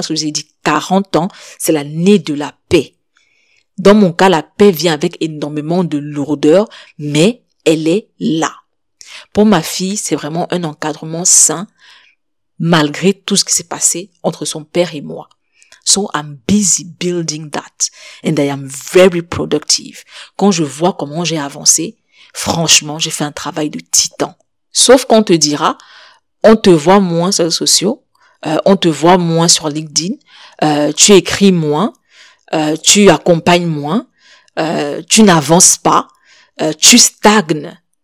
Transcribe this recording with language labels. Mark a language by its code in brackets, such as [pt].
[fr] Parce que je vous ai dit, 40 ans, c'est l'année de la paix. Dans mon cas, la paix vient avec énormément de lourdeur, mais elle est là. Pour ma fille, c'est vraiment un encadrement sain, malgré tout ce qui s'est passé entre son père et moi. [en] So I'm busy building that. And I am very productive. [fr] Quand je vois comment j'ai avancé, franchement, j'ai fait un travail de titan. Sauf qu'on te dira, on te voit moins sur les réseaux sociaux, on te voit moins sur LinkedIn, tu écris moins, tu accompagnes moins, tu n'avances pas, tu stagnes.